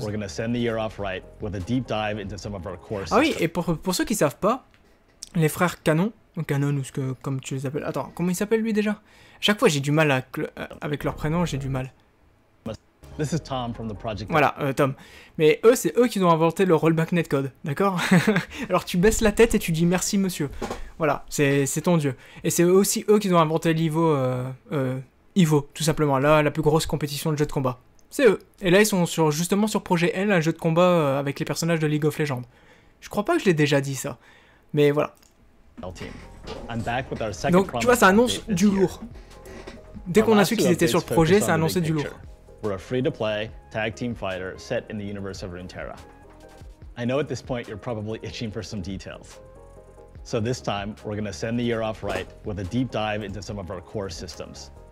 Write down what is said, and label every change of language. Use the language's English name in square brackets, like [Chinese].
[English] We're gonna send the year off right with a deep dive into some of our core systems. [French] Ah oui, et pour ceux qui savent pas, les frères Canon, ou Canon, ou ce que, comme tu les appelles... Attends, comment ils s'appellent lui déjà? Chaque fois j'ai du mal avec leur prénom, j'ai du mal. [English] This is Tom from the project. [French] Voilà, Tom. Mais eux, c'est eux qui ont inventé le rollback netcode, d'accord? Alors tu baisses la tête et tu dis merci monsieur. Voilà, c'est ton dieu. Et c'est aussi eux qui ont inventé l'Ivo, Ivo, tout simplement. Là, la plus grosse compétition de jeu de combat. C'est eux. Et là, ils sont sur, justement sur Projet L, un jeu de combat avec les personnages de League of Legends. Je crois pas que je l'ai déjà dit ça. Mais voilà. Donc tu vois, ça annonce du lourd. Dès qu'on a su qu'ils étaient sur le projet, ça annonçait du lourd. [English] We're a free-to-play, tag-team fighter set in the universe of Runeterra. I know at this point you're probably itching for some details. So this time, we're gonna send the year off right with a deep dive into some of our core systems.